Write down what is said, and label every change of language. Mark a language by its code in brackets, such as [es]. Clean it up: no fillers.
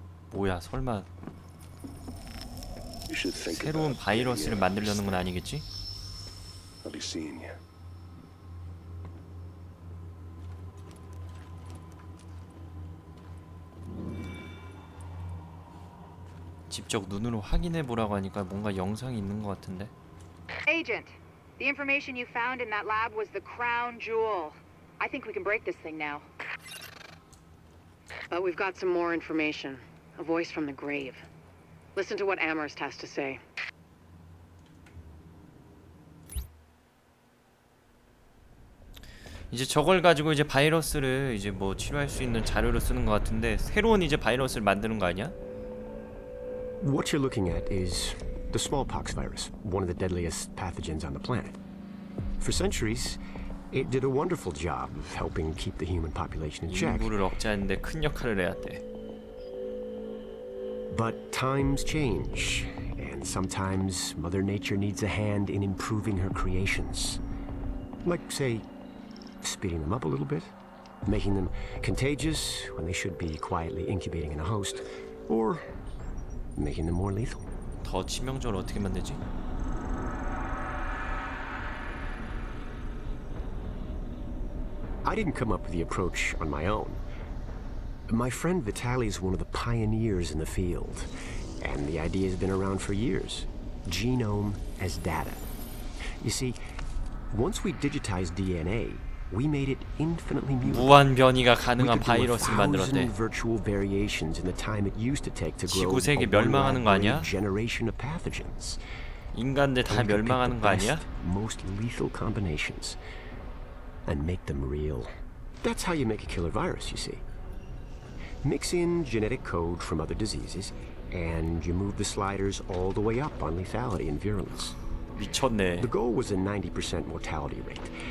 [ko] 뭐야 설마 새로운 바이러스를 만들려는 건 아니겠지? 직접 눈으로 확인해 보라고 하니까 뭔가 영상이 있는 것 같은데. [en] Agent, the information you found in that lab was the crown jewel. I think we can break this thing now. But we've got some more information. A voice from the grave. Listen to what Amherst has to say. Now, this thing is using the virus to treat the virus. It seems to be using a new virus to create a virus. What you're looking at is the smallpox virus, one of the deadliest pathogens on the planet. For centuries, it did a wonderful job of helping keep the human population in check. [ko] 인구를 억제하는데 큰 역할을 해야 돼. [en] But times change, and sometimes Mother Nature needs a hand in improving her creations. Like, say, speeding them up a little bit, making them contagious when they should be quietly incubating in a host, or making them more lethal. [ko] 더 치명적으로 어떻게 만들지? [en] I didn't come up with the approach on my own. My friend Vitaly is one of the pioneers in the field, and the idea has been around for years. Genome as data. You see, once we digitized DNA, we made it infinitely mutable. [ko] 무한 변이가 가능한 바이러스를 만들었대. [en] We could do 1,000 virtual variations in the time it used to take to grow. [ko] 지구세계 멸망하는 거 아니야? [en] Generation of pathogens. [ko] 인간들 다 멸망하는 거 아니야? [en] Most lethal combinations and make them real. That's how you make a killer virus, you see. Mix in genetic code from other diseases, and you move the sliders all the way up on lethality and virulence. [ko] 미쳤네. [en] The goal was a 90% mortality rate.